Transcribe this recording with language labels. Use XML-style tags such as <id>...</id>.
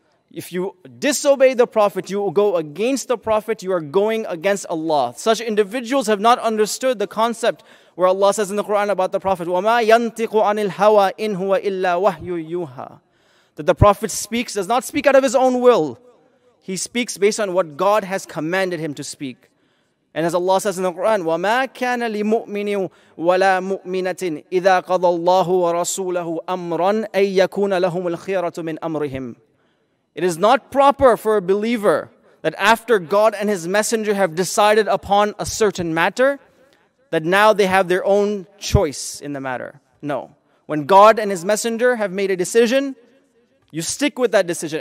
<en>If you disobey the Prophet, you will go against the Prophet, you are going against Allah. Such individuals have not understood the concept where Allah says in the Quran about the Prophet,</en> <ar>وَمَا يَنْتِقُ عَنِ الْهَوَىٰ إِنْ هُوَ إِلَّا وَحْيُّ يُوحَىٰ.</ar> <en>That the Prophet speaks, does not speak out of his own will. He speaks based on what God has commanded him to speak. And as Allah says in the Quran,</en> <ar>وَمَا كَانَ لِمُؤْمِنٍ وَلَا مُؤْمِنَةٍ إِذَا قَضَى اللَّهُ وَرَسُولَهُ أَمْرًا أَن يَكُونَ لَهُمُ الْخِيَرَةُ مِنْ أَمْرِهِمْ.</ar> <en>It is not proper for a believer that after God and His Messenger have decided upon a certain matter, that now they have their own choice in the matter. No. When God and His Messenger have made a decision, you stick with that decision.</en>